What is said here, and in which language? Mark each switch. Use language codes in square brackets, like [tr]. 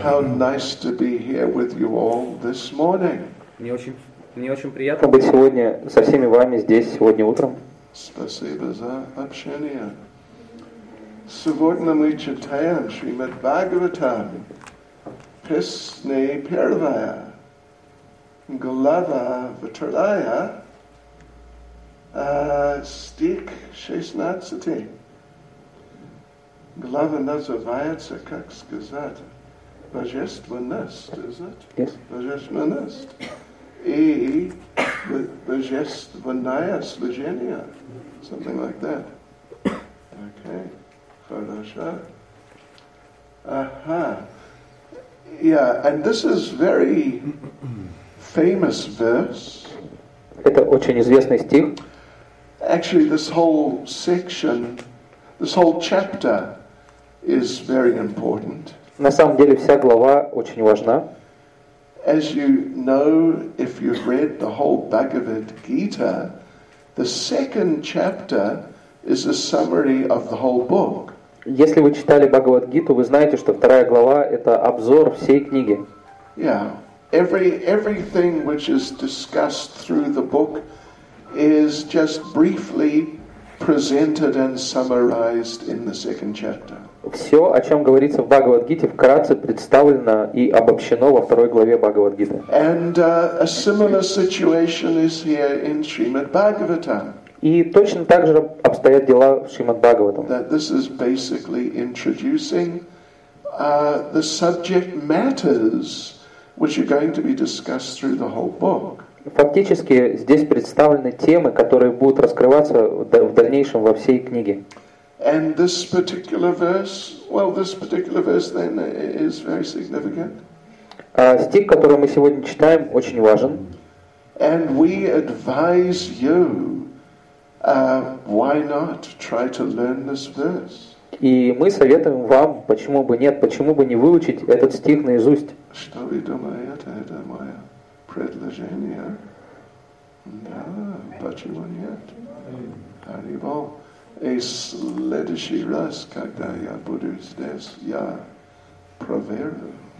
[en] How nice to be here with you all this morning. [ru] Мне очень приятно быть сегодня со всеми вами здесь сегодня утром. Спасибо за общение. Сегодня мы читаем Шримад Бхагаватам, песня первая. Глава вторая, стих 16. Глава называется, как сказать, Божественность. И Божественное служение. [en] Something like that. Okay. [ru] Хорошо. Ага. [en] Yeah, and this is very... famous verse. [ru] Это очень известный стих. [en] Actually, this whole section, this whole chapter is very important. [ru] На самом деле вся глава очень важна. [en] As you know, if you've read the whole Bhagavad Gita, the second chapter is a summary of the whole book. [ru] Если вы читали Бхагавад Гиту, вы знаете, что вторая глава это обзор всей книги. [en] Yeah. Everything which is discussed through the book is just briefly presented and summarized in the second chapter. [ru] Все, о чем говорится в Бхагавад-гите, вкратце представлено и обобщено во второй главе Бхагавад-гиты. [en] And a similar situation is here in Srimad Bhagavatam. [ru] И точно так же обстоят дела в Шримад Бхагаватам. [en] That this is basically introducing the subject matters which are going to be discussed through the whole book. [ru] Фактически здесь представлены темы, которые будут раскрываться в дальнейшем во всей книге. [en] And this particular verse, well, this particular verse then is very significant. [ru] Стих, который мы сегодня читаем, очень важен. [en] And we advise you, why not try to learn this verse? [ru] И мы советуем вам, почему бы нет, почему бы не выучить этот стих наизусть. Что вы думаете, это мое предложение? Да, почему нет? Харибо. И в следующий раз, когда я буду здесь, я проверю.